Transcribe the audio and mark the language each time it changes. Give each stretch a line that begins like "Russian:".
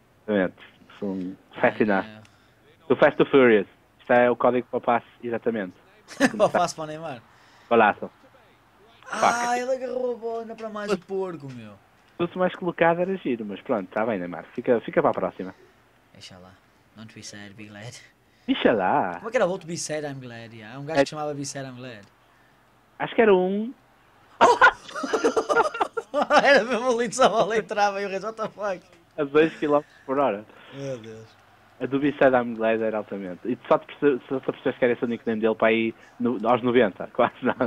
Portuguese: Exatamente, são fascinados. Do Fast to Furious, isto é o código para o passe, exatamente. Para o passe para o Neymar. Balaço. Ah, ele agarrou a bola, ainda para mais o porco, meu. Se fosse mais colocado era giro, mas pronto, está bem, Neymar, fica para a próxima.
English: Inshallah, don't be sad, be glad.
Arabic: Inshallah.
Portuguese: Como é que era o outro, be sad, I'm glad, yeah. Um gajo que chamava be sad, I'm glad. Acho que era um... Oh! Era mesmo lindo, só a bola entrava e o resto, what the fuck? A 2 km por hora. Meu Deus. A do Bissad Ahmed Laser, altamente. E só percebes que era esse o nickname dele para aí no, aos 90, quase nada.